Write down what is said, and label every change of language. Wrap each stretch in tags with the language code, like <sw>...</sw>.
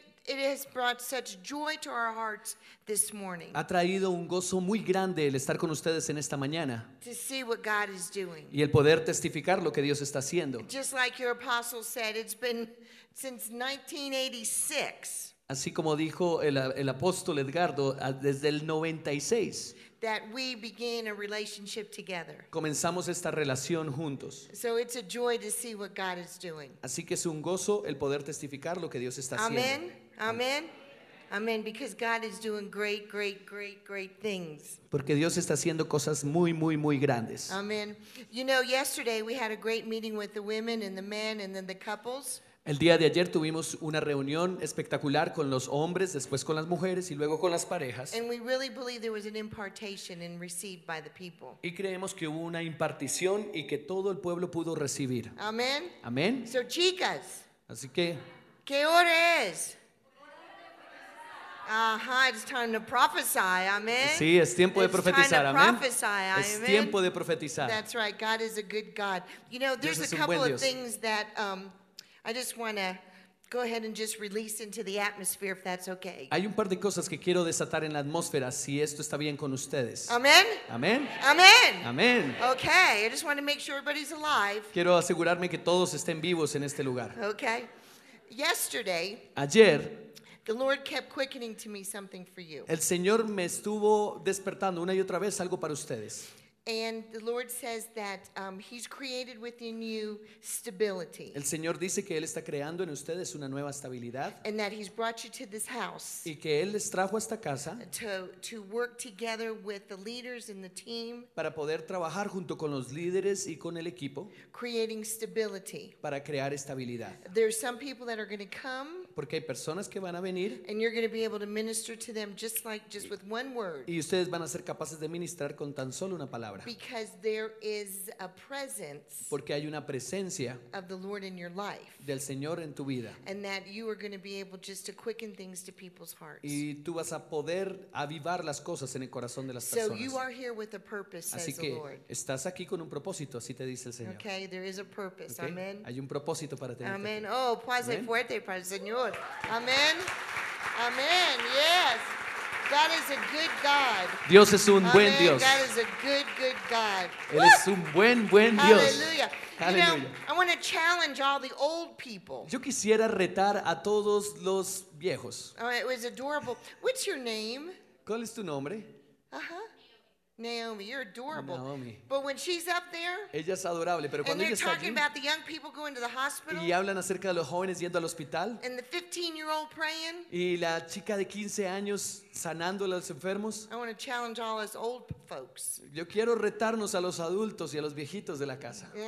<en>It has brought such joy to our hearts this morning.</en> <es>Ha traído un gozo muy grande el estar con ustedes en esta mañana.</es> <en>To see what God is doing.</en> <es>Y el poder testificar lo que Dios está haciendo.</es> <en>Just like your apostle said, it's been since 1986.</en> <es>Así como dijo el apóstol Edgardo, desde el 96.</es> <en>That we began a relationship together.</en> <es>Comenzamos esta relación juntos.</es> <en>So it's a joy to see what God is doing.</en> <es>Así que es un gozo el poder testificar lo que Dios está haciendo.</es> <en>Amen. Amen. Amen. Because God is doing great, great, great, great things.</en> <es>Porque Dios está haciendo cosas muy, muy, muy grandes.</es> <en>Amen. You know, yesterday we had a great meeting with the women and the men and then the couples.</en> <es>El día de ayer tuvimos una reunión espectacular con los hombres, después con las mujeres y luego con las parejas.</es> <en>And we really believe there was an impartation and received by the people.</en> <es>Y creemos que hubo una impartición y que todo el pueblo pudo recibir. Amén. Amén.</es> <en>So, chicas.</en> <es>Así que. ¿Qué hora es? Ajá,</es> <en>it's time to prophesy.</en> <es>Amén. Sí, es tiempo de profetizar.</es> <en>It's time to prophesy.</en> <es>Amén. Es tiempo de profetizar.</es> <en>That's right. God is a good God. You know, there's a couple of things that I just want to go ahead and just release into the atmosphere, if that's okay.</en> <es>Hay un par de cosas que quiero desatar en la atmósfera, si esto está bien con ustedes.</es> <en>Amen. Amen. Amen. Amen. Okay, I just want to make sure everybody's alive.</en> <es>Quiero asegurarme que todos estén vivos en este lugar.</es> <en>Okay. Yesterday.</en> <es>Ayer.</es> <en>The Lord kept quickening to me something for you.</en> <es>El Señor me estuvo despertando una y otra vez algo para ustedes.</es> <en>And the Lord says that he's created within you stability.</en> <es>El Señor dice que él está creando en ustedes una nueva estabilidad.</es> <en>And that he's brought you to this house.</en> <es>Y que él les trajo a esta casa.</es> <en>To work together with the leaders and the team.</en> <es>Para poder trabajar junto con los líderes y con el equipo.</es> <en>Creating stability.</en> <es>Para crear estabilidad.</es> <en>There's some people that are going to come.</en> <es>Porque hay personas que van a venir.</es> <en>And you're going to be able to minister to them just with one word.</en> <es>Y ustedes van a ser capaces de ministrar con tan solo una palabra.</es> <en>Because there is a presence,</en> <es>porque hay una presencia,</es> <en>of the Lord in your life,</en> <es>del Señor en tu vida,</es> <en>and that you are going to be able just to quicken things to people's hearts.</en> <es>Y tú vas a poder avivar las cosas en el corazón de las</es> <en>so</en> <es>personas.</es> <en>So you are here with a purpose,</en> <es>así</es> <en>says</en> <es>que</es> <en>the Lord.</en> <es>Estás aquí con un propósito, así te dice el Señor.</es> <en>Okay, there is a purpose. Okay? Amen.</en> <es>Hay un propósito para tenerte. Amen. Oh, pase fuerte para el Señor. Amen. Amen. Yes.</es> <en>God is a good God.</en> <es>Dios es un</es> <en>Amen.</en> <es>Buen Dios.</es> <en>God is a good, good God.</en> <es>Él es un buen, buen Dios.</es> <en>Hallelujah. You know, I want to challenge all the old people.</en> <es>Yo quisiera retar a todos los viejos.</es> <en>Oh, it was adorable. What's your name?</en> <es>¿Cuál es tu nombre?</es> <en>Naomi, you're adorable. Naomi. But when she's up there,</en> <es>ella es adorable, pero cuando</es> <en>and</en> <es>ella</es> <en>they're talking</en> <es>allí,</es> <en>about the young people going to the hospital,</en> <es>y hablan acerca de los jóvenes yendo al hospital,</es> <en>and the 15-year-old praying,</en> <es>y la chica de 15 años sanando a los enfermos,</es> <en>I want to challenge all us old folks.</en> <es>Yo quiero retarnos a los adultos y a los viejitos de la casa.</es>